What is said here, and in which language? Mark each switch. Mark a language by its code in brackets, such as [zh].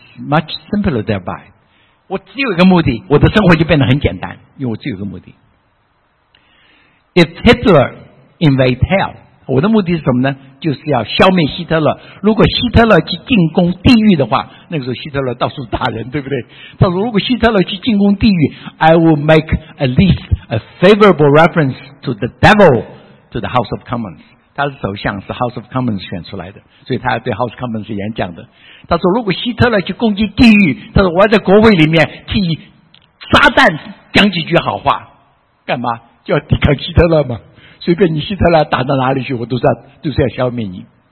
[en] much simpler thereby. [zh] 我只有一个目的，我的生活就变得很简单，因为我只有一个目的。 [en] If Hitler invade hell, [zh] 我的目的是什么呢？就是要消灭希特勒。如果希特勒去进攻地狱的话，那个时候希特勒到处打人，对不对？他说，如果希特勒去进攻地狱 [en] ，I will make at least a favorable reference to the devil to the House of Commons。 [zh] 他的首相是 House of Commons 选出来的，所以他要对 House of Commons 演讲的。他说，如果希特勒去攻击地狱，他说我要在国会里面替撒旦讲几句好话，干嘛？就要抵抗希特勒嘛。随便你希特勒打到哪里去，我都是要，就是要消灭你。